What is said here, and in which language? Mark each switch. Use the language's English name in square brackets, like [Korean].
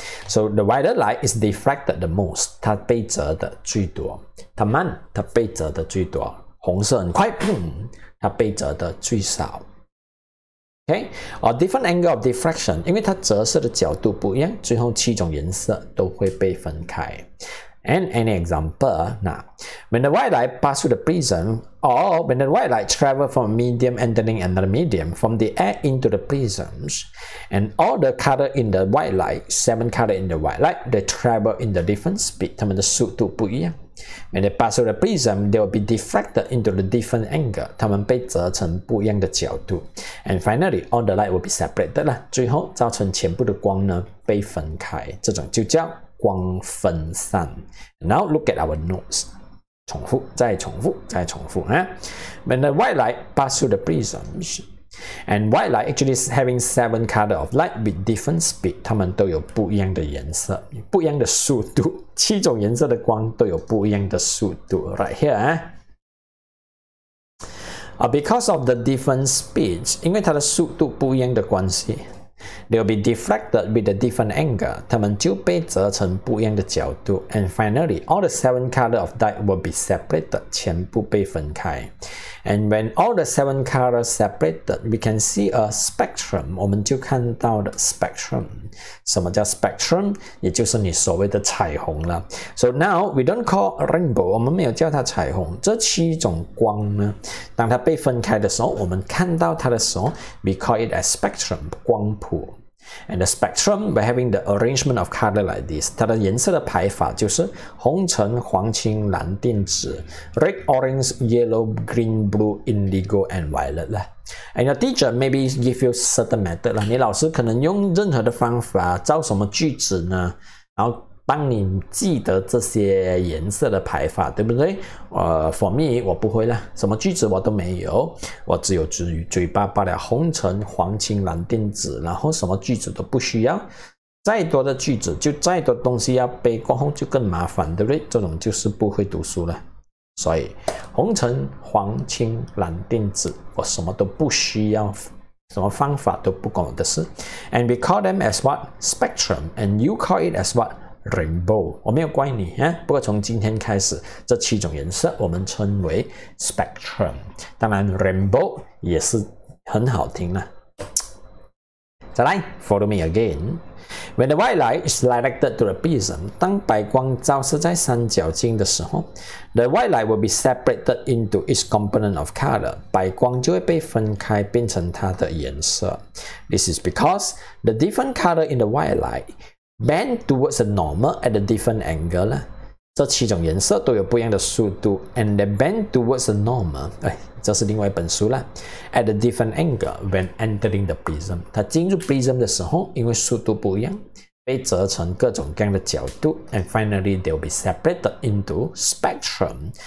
[English] So the violet light is diffracted the most. [Chinese] 它被折的最多。它慢，它被折的最多。红色很快，它被折的最少。 [English] Okay, or different angle of diffraction, [Chinese] 因为它折射的角度不一样，最后七种颜色都会被分开。 [English] And any example, now, when the white light pass through the prism, or when the white light travel from a medium entering another medium, from the air into the prisms, and all the color in the white light, seven color in the white light, they travel in the different speed, [Chinese] 它们的速度不一样。 [English] When they pass through the prism, they will be diffracted into the different angle, [Chinese] 它们被折成不一样的角度。 [English] And finally, all the light will be separated, [Chinese] 最后造成全部的光呢被分开，这种就叫光分散。 [English] Now look at our notes. [Chinese] 重复，再重复，再重复。 [English] When the white light pass through the prism, and white light actually is having seven colors of light with different speed, [Chinese] 它们都有不一样的颜色，不一样的速度。七种颜色的光都有不一样的速度。 [English] Right here, because of the different speeds, [Chinese] 因为它的速度不一样的关系。 [English] They'll be diffracted with a different angle. [Chinese] 它们就被折成不一样的角度。 [English] And finally, all the seven colors of light will be separated, [Chinese] 全部被分开。 [English] And when all the seven colors separated, we can see a spectrum. [Chinese] 我们就看到了 spectrum. 什么叫 spectrum? 也就是你所谓的彩虹了。 [English] So now, we don't call rainbow. [Chinese] 我们没有叫它彩虹。这七种光呢，当它被分开的时候，我们看到它的时候， [English] we call it a spectrum, [Chinese] 光谱。 [English] And the spectrum, by having the arrangement of color like this, [Chinese] 它的颜色的排法就是红橙黄青蓝靛紫 [English] red, orange, yellow, green, blue, indigo, and violet. And your teacher maybe give you certain method. [Chinese] 你老师可能用任何的方法造什么句子呢？然后帮你记得这些颜色的排法，对不对？ [English] For me, [Chinese] 我不会啦，什么句子我都没有，我只有嘴巴罢了，红橙黄青蓝靛紫，然后什么句子都不需要，再多的句子就再多东西要背过后就更麻烦，对不对？这种就是不会读书了。所以红橙黄青蓝靛紫，我什么都不需要，什么方法都不管我的事。 [English] And we call them as what? Spectrum. And you call it as what? Rainbow. [Chinese] 我没有怪你、啊、不过从今天开始这七种颜色我们称为 Spectrum. 当然 Rainbow 也是很好听了。再来 [English] follow me again. When the white light is directed to the prism, [Chinese] 当白光照射在三角镜的时候， [English] the white light will be separated into its component of color. [Chinese] 白光就会被分开变成它的颜色。 [English] This is because the different color in the white light bend towards the normal at a different angle. [Chinese] 这七种颜色都有不一样的速度， [English] and they bend towards the normal. [Chinese] 这是另外一本书了。 [English] At a different angle when entering the prism, [Chinese] 它进入 prism 的时候因为速度不一样被折成各种各样的角度， [English] and finally they'll be separated into spectrum.